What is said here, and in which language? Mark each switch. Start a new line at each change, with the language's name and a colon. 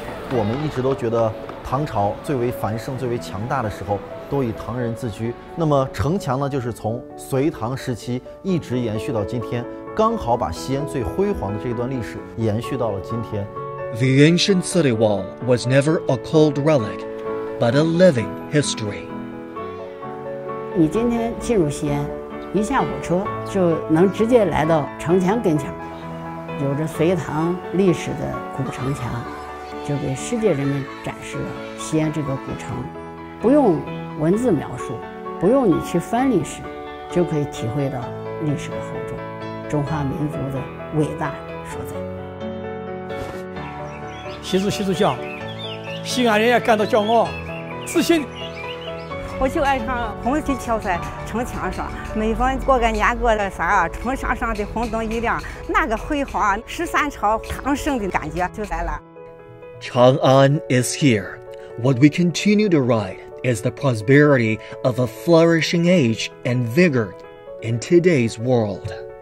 Chinese: 我们一直都觉得唐朝最为繁盛、最为强大的时候都以唐人自居，那么城墙呢，就是从隋唐时期一直延续到今天，刚好把西安最辉煌的这段历史延续到了今天。
English: The ancient city wall was never a cold relic, but a living history.
Chinese: 你今天进入西安，一下火车就能直接来到城墙跟前，有着隋唐历史的古城墙，就给世界人们展示了西安这个古城，不用文字描述，不用你去翻历史，就可以体会到历史的厚重，中华民族的伟大所在。习主席讲，西安人也感到骄傲自信。我就爱上红旗飘在城墙上，每逢过个年过个啥，城墙上的红灯一亮，那个辉煌十三朝唐盛的感觉就来了。
English: Chang'an is here. What we continue to write is the prosperity of a flourishing age and vigor in today's world.